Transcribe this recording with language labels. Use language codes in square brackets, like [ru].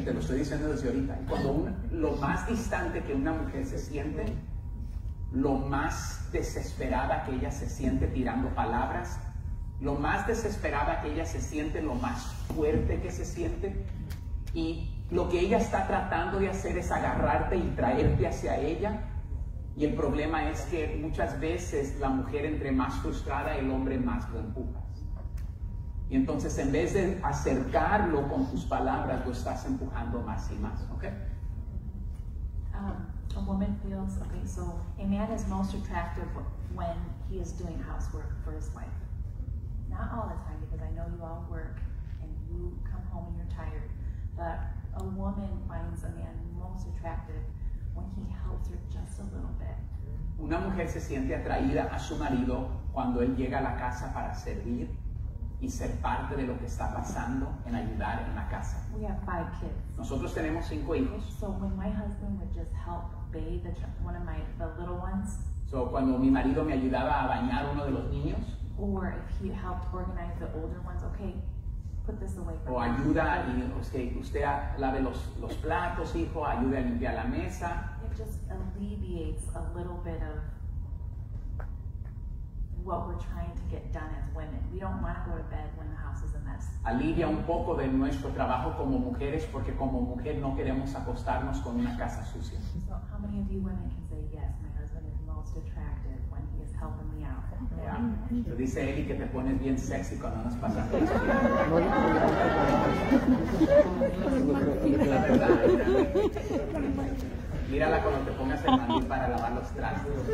[es] Te lo estoy diciendo desde ahorita. Cuando lo más distante que una mujer se siente, lo más desesperada que ella se siente tirando palabras, lo más desesperada que ella se siente, lo más fuerte que se siente, y lo que ella está tratando de hacer es agarrarte y traerte hacia ella. Y el problema es que muchas veces la mujer, entre más frustrada, el hombre más lo empujas. Y entonces, en vez de acercarlo con tus palabras, lo estás empujando más y más. ¿Ok? [en] A woman feels, okay, so a man is most attractive when he is doing housework for his wife. Not all the time, because I know you all work and you come home and you're tired. But a woman finds a man most attractive when he helps her just a little bit. [es] Una mujer se siente atraída a su marido cuando él llega a la casa para servir y ser parte de lo que está pasando en ayudar en la casa. [en] We have five kids. [es] Nosotros tenemos cinco hijos. [en] So when my husband would just help bathe one of the little ones. [es] So cuando mi marido me ayudaba a bañar uno de los niños. [en] Or if he helped organize the older ones, okay, put this away for [es] me. O ayuda y okay, usted lave los platos, hijo, ayude a limpiar la mesa. [en] It just alleviates a little bit of what we're trying to get done as women. We don't want to go to bed when the house is a mess. [es] Alivia un poco de nuestro trabajo como mujeres, porque como mujer no queremos acostarnos con una casa sucia. [en] So how many of you women can say, yes, my husband is most attractive when he is helping me out? Yeah. [es] Pero dice Eli que te pones bien sexy cuando nos pasa. La verdad. Mírala cuando te pongas el mandil para lavar los trastes.